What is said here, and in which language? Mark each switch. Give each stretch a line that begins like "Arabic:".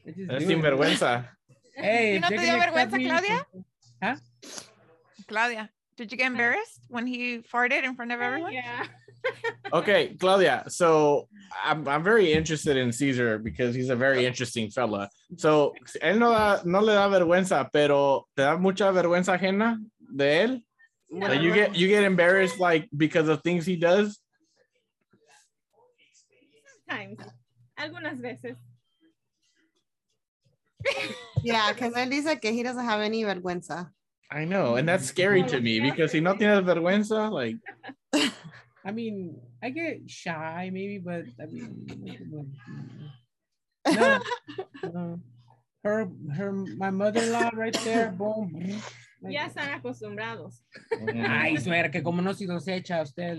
Spanish: Es sin vergüenza.
English: Hey.
Spanish: ¿No te dio vergüenza, Claudia? Huh?
English: Claudia, did you get embarrassed when he farted in front of everyone? Yeah. Okay, Claudia, so I'm very interested in Cesar because he's a very interesting fella.
Spanish: So, él no le da vergüenza, pero ¿te da mucha vergüenza ajena de él? No.
English: Like you get embarrassed, like, because of things he does? Sometimes.
Spanish: Algunas veces.
English: Yeah, because
Spanish: él dice que
English: he doesn't have any vergüenza. I know, and that's scary to me because he
Spanish: no tiene vergüenza,
English: like... I mean, I get shy maybe, but I mean, her, my mother-in-law right there, boom.
Spanish: Like, ya están acostumbrados. Ay, suerte que como no si los echa a usted.